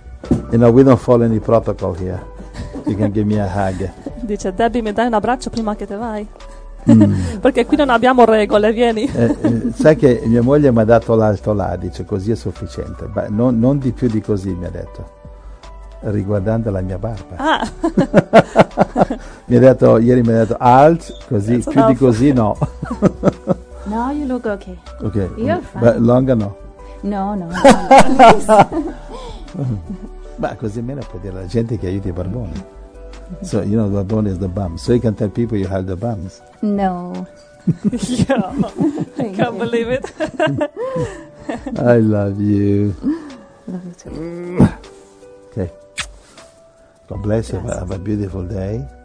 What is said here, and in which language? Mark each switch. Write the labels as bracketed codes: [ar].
[en] You know, we don't follow any protocol here. You can give me a hug. [it] Dice, Debbie, mi dai un abbraccio prima che te vai? Perché qui non abbiamo regole, vieni. Sai che mia moglie mi ha dato l'alto là, dice, così è sufficiente. Ma non di più di così, mi ha detto. Riguardando la mia barba. Ah. ieri mi ha detto alt, così. [en] That's [it] più [en] enough. [it] Di così no. [en] No, you look okay. Okay. You're fine. But longer no. No. [it] Ma così me la può dire la gente che aiuti i barboni. [en] So you know the barbone is the bum. So you can tell people you have the bums. No. Yeah. I can't believe it. I love you. Love you too. Okay. God bless you. Have a beautiful day.